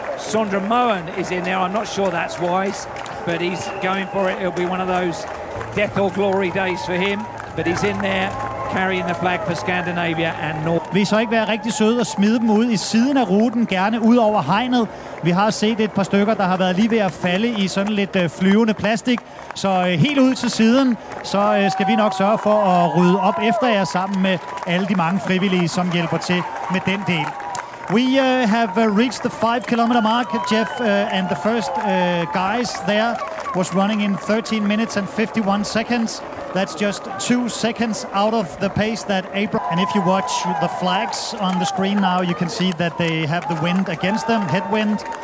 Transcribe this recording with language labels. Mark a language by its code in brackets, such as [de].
[en] Sondre Mohan is in there. I'm not sure that's wise, but he's going for it. It'll be one of those death or glory days for him. But he's in there carrying the flag for Scandinavia and North. [da] Vi så ikke være rigtig søde og smide dem ud i siden af ruten, gerne ud over hegnet. Vi har set et par stykker, der har været lige ved at falde i sådan lidt flyvende plastik. Så helt ud til siden, så skal vi nok sørge for at rydde op efter jer sammen med alle de mange frivillige, som hjælper til med den del. [en] We have reached the 5 kilometer mark, Jeff, and the first guys there was running in 13 minutes and 51 seconds. That's just 2 seconds out of the pace that April. And if you watch the flags on the screen now, you can see that they have the wind against them, headwind.